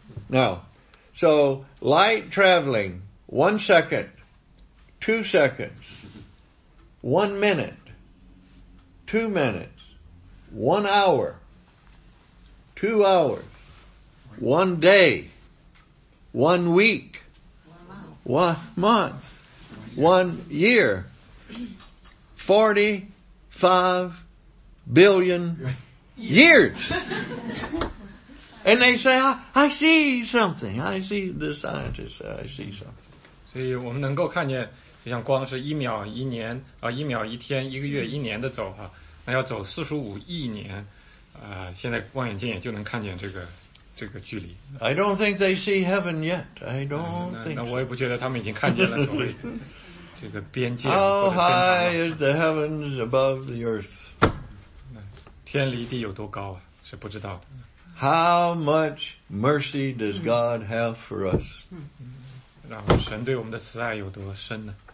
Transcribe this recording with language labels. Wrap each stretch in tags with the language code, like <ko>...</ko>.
<en>Now, so light traveling, 1 second, 2 seconds, 1 minute, 2 minutes, 1 hour, 2 hours, 1 day, 1 week, 1 month, 1 year, 45 billion years. And they say, I see something. I see the scientists say, I see something.</en> <zh>所以我们能够看见，就像光是一秒一年，一秒一天，一个月一年的走哈，那要走45亿年，现在望远镜也就能看见这个距离。</zh> <en>I don't think they see heaven yet. I don't think.</en> <zh>那我也不觉得他们已经看见了所谓这个边界。</zh> <en>How high is the heavens above the earth?</en> <zh>天离地有多高啊？是不知道的。</zh> <en>How much mercy does God have for us?</en> <zh>然后神对我们的慈爱有多深呢？</zh>